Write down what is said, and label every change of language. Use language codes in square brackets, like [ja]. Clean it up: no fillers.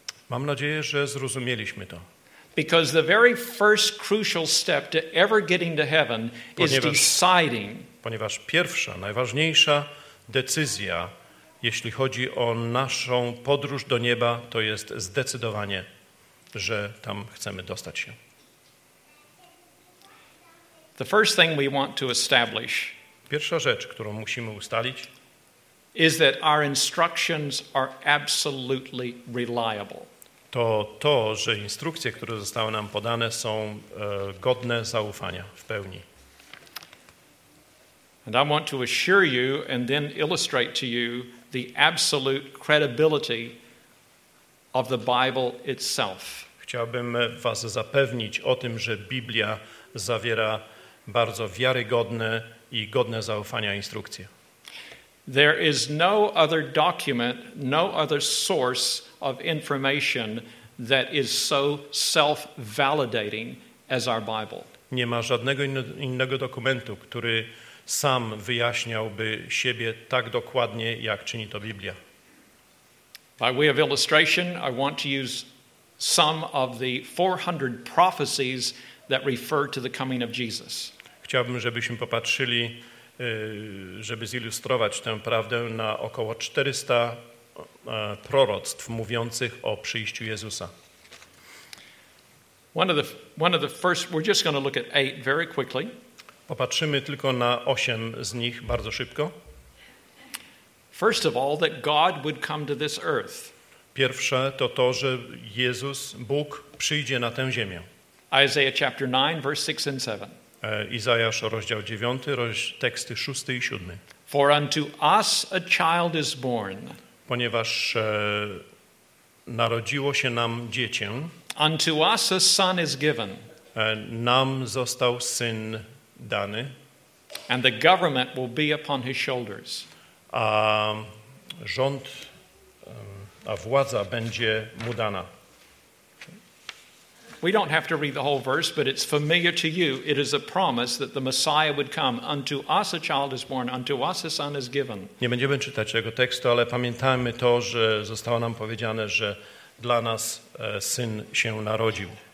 [pl] Mam nadzieję, że zrozumieliśmy to. [en] Because the very first crucial step to ever getting to heaven is deciding. [pl] Ponieważ pierwsza, najważniejsza decyzja, jeśli chodzi o naszą podróż do nieba, to jest zdecydowanie, że tam chcemy dostać się. [en] The first thing we want to establish. [pl] Pierwsza rzecz, którą musimy ustalić, [en] is that our instructions are absolutely reliable. [pl] To, że instrukcje, które zostały nam podane, są godne zaufania w pełni. [en] And I want to assure you and then illustrate to you the absolute credibility of the Bible itself. [pl] Chciałbym was zapewnić o tym, że Biblia zawiera bardzo wiarygodne i godne zaufania instrukcje. [en] There is no other document, no other source of information that is so self-validating as our Bible. [pl] Nie ma żadnego innego dokumentu, który sam wyjaśniałby siebie tak dokładnie, jak czyni to Biblia. [en] By way of illustration, I want to use some of the 400 prophecies that refer to the coming of Jesus. [pl] Chciałbym, żebyśmy popatrzyli, żeby zilustrować tę prawdę, na około 400 proroctw mówiących o przyjściu Jezusa. [en] One of the first, we're just going to look at 8 very quickly. [pl] Popatrzymy tylko na 8 z nich bardzo szybko. [en] First of all, that God would come to this earth. [pl] Pierwsze to to, że Jezus, Bóg, przyjdzie na tę ziemię. [en] Isaiah chapter 9, verse 6 and 7. [pl] Izajasz, rozdział 9, teksty 6 i 7. [en] For unto us a child is born. [pl] Ponieważ narodziło się nam dziecię. [en] Unto us a son is given. [pl] Nam został syn dany. [en] And the government will be upon his shoulders. [pl] A rząd, a władza będzie mu dana. [en] We don't have to read the whole verse, but it's familiar to you. It is a promise that the Messiah would come. Unto us a child is born, unto us a son is given. [pl] Nie będziemy czytać tego tekstu, ale pamiętajmy to, że zostało nam powiedziane, że dla nas syn się narodził.